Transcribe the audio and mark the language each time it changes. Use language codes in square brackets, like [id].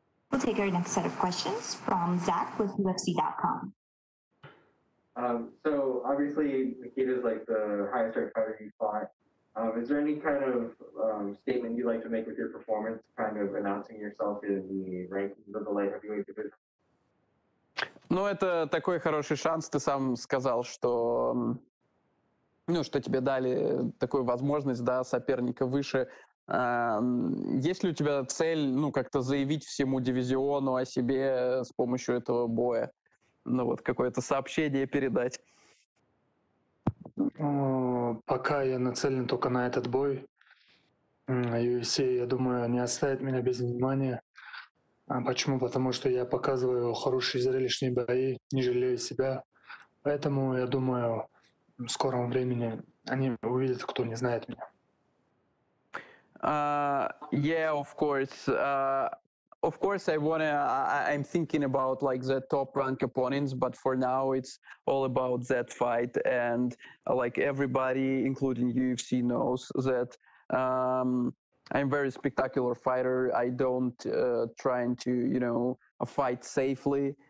[en] We'll take our next set of questions from Zach with UFC.com. So obviously Nikita is like the highest ranked fighter you fought. Is there any kind of statement you'd like to make with your performance, kind of announcing yourself in the rankings of the light heavyweight division? [ru] Ну, это такой хороший шанс, ты сам сказал, что, ну, что тебе дали такую возможность, да, соперника выше. Есть ли у тебя цель, ну, как-то заявить всему дивизиону о себе с помощью этого боя? Ну, вот какое-то сообщение передать? Пока я нацелен только на этот бой. UFC, я думаю, не оставит меня без внимания. Почему? Потому что я показываю хорошие зрелищные бои, не жалею себя. Поэтому я думаю, в скором времени они увидят, кто не знает меня. [en] Yeah, of course. Of course, I'm thinking about like the top rank opponents, but for now it's all about that fight. And like everybody, including UFC, knows that. I'm a very spectacular fighter. I don't try to, you know, fight safely.